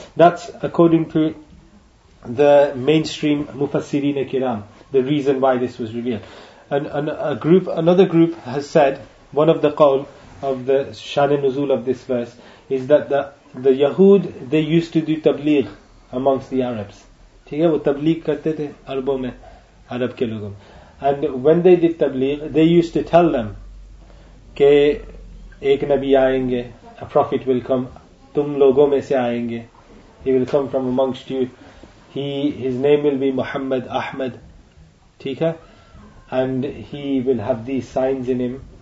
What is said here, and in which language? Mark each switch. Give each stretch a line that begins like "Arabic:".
English: That's according to the mainstream Mufassirin Kiram, the reason why this was revealed. Another group has said, one of the qawl of the Shan Nuzul of this verse, is that the Yahud, they used to do tabligh amongst the Arabs. Okay?
Urdu: وہ تبلیغ کرتے تھے عربوں میں، عرب کے لوگوں۔
English: And when they did tabligh, they used to tell them
Urdu: ke ek nabi aayenge,
English: a prophet will come,
Urdu: tum logo mein se aayenge,
English: he will come from amongst you, his name will be Muhammad Ahmed,
Urdu: theek hai,
English: and he will have these signs in him.